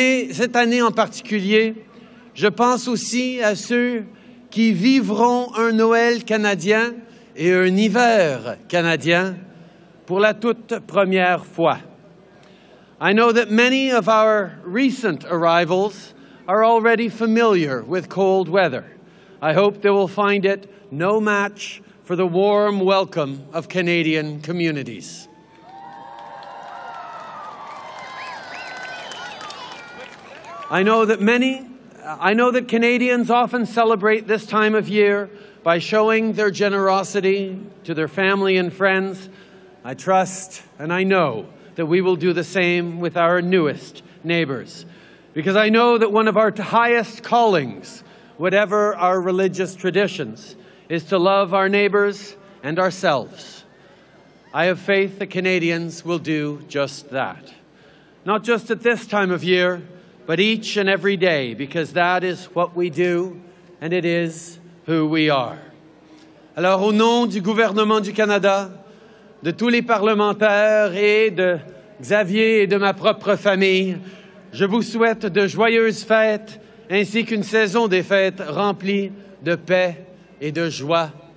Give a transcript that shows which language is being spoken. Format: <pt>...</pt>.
<fr>Cette année en particulier, je pense aussi à ceux qui vivront un Noël canadien et un hiver canadien pour la toute première fois.</fr> <en>I know that many of our recent arrivals are already familiar with cold weather. I hope they will find it no match for the warm welcome of Canadian communities. I know that Canadians often celebrate this time of year by showing their generosity to their family and friends. I trust and I know that we will do the same with our newest neighbors, because I know that one of our highest callings, whatever our religious traditions, is to love our neighbors and ourselves. I have faith that Canadians will do just that. Not just at this time of year, but each and every day, because that is what we do and it is who we are.</en> <fr>Alors, au nom du gouvernement du Canada, de tous les parlementaires et de Xavier et de ma propre famille, je vous souhaite de joyeuses fêtes ainsi qu'une saison des fêtes remplie de paix et de joie.</fr>